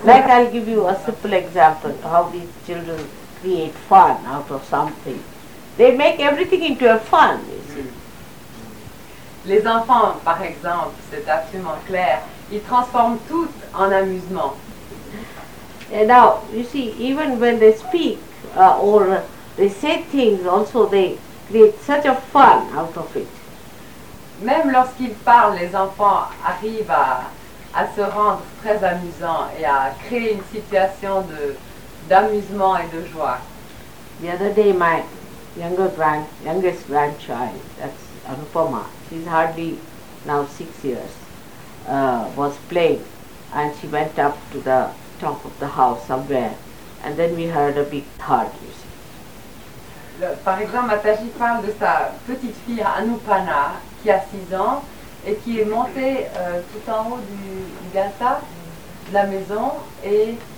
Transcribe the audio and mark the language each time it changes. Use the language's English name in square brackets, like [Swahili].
[English] Like I'll give you a simple example of how these children create fun out of something. They make everything into a fun, you see. [French] Les enfants, par exemple, c'est absolument clair, ils transforment tout en amusement. [English] And now, you see, even when they speak or they say things, also they create such a fun out of it. [French] Même lorsqu'ils parlent, les enfants arrivent à se rendre très amusants et à créer une situation d'amusement et de joie. [English] The other day, my youngest grandchild, that's Anupama, she's hardly now 6 years, was playing, and she went up to the top of the house somewhere and then we heard a big thud, you see. [French] Par exemple, Mataji parle de sa petite fille Anupana, qui a 6 ans, et qui est montée tout en haut du gata, de la maison, et...